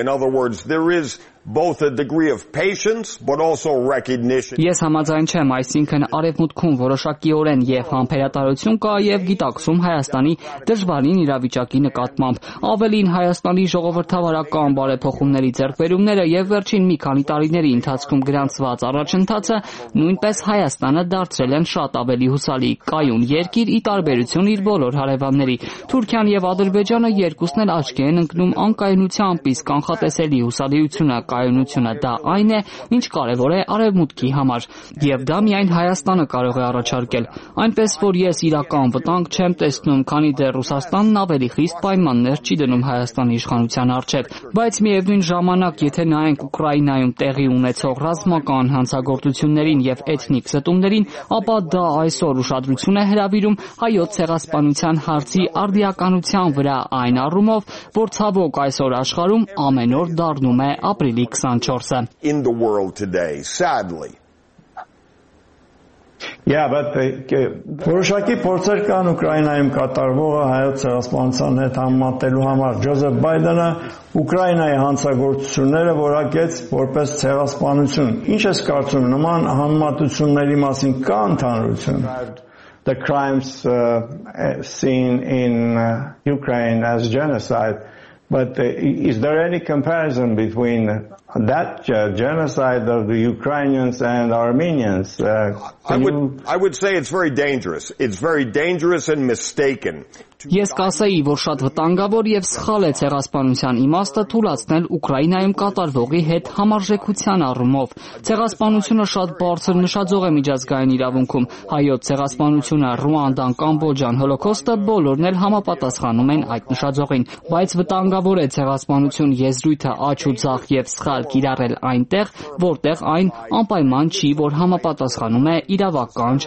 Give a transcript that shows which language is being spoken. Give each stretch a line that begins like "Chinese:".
English: In other words, there is both a degree of patience but also recognition.
Armenian: Ես համաձայն չեմ, այսինքն արևմուտքում որոշակիորեն եւ համբերատարություն կա եւ գիտակցում Հայաստանի դժվարին իրավիճակի նկատմամբ, ավելին Հայաստանի ժողովրդավարական բարեփոխումների ձեռքբերումները եւ վերջին մի քանի տարիների ընթացքում գրանցված առաջընթացը նույնպես Հայաստանը դարձրել են շատ ավելի հուսալի կայուն երկիր ի տարբերություն իր բոլոր հարևանների։ Թուրքիան եւ Ադրբեջանը երկուսն էլ աչքի են ընկնում անկայունությամբ իսկ անխատեսելի հուսալիությունը, կայունությունը, դա այն է, ինչ կարևոր է արևմուտքի համար, եւ դա միայն Հայաստանը կարող է առաջարկել։ Այնպես որ ես իրական վտանգ չեմ տեսնում, քանի դեռ Ռուսաստանն ավելի խիստ պայմաններ չի դնում Հայաստանի իշխանության առջև, բայց միևնույն ժամանակ, եթե նայենք Ուկրաինայում տեղի ունեցող ռազմական հանցագործություններին եւ էթնիկ զտումներին, ապա դա այսօր ուշադրություն է հրավիրում հայոց ցեղասպանության հարցի արդիականության վրա, այն առումով, որ ցավոք այսօր աշխարհում ամեն օր դառնում է Ապրիլի 24-ը.
English: In the world today, sadly. Yeah, but
Armenian: որոշակի փորձեր կան Ուկրաինայում կատարվողը հայոց ցեղասպանության հետ համատելու համար։ Ջոզեֆ Բայդենը Ուկրաինայի հանցագործությունները որակեց որպես ցեղասպանություն։ Ինչ ես կարծում, նման համատությունների մասին կա ընդհանրություն։
English: The crimes seen in Ukraine as genocide. But is there any comparison between that genocide of the Ukrainians and Armenians? I would say it's very dangerous. It's very dangerous and mistaken.
Armenian: Ես կասեի, որ շատ վտանգավոր եւ սխալ է ցեղասպանության իմաստը թուլացնել Ուկրաինայում կատարվողի հետ համարժեքության առումով։ Ցեղասպանությունը շատ բարձր նշաձող է միջազգային իրավունքում։ Հայոց ցեղասպանությունը, Ռուանդան, Կամբոջան, Հոլոկոստը բոլորն էլ համապատասխանում են այդ նշաձողին, բայց վտանգավոր է ցեղասպանություն եզրույթը աչ ու ձախ եւ սխալ կիրառել այնտեղ, որտեղ այն անպայման չի, որ համապատասխանում է իրավական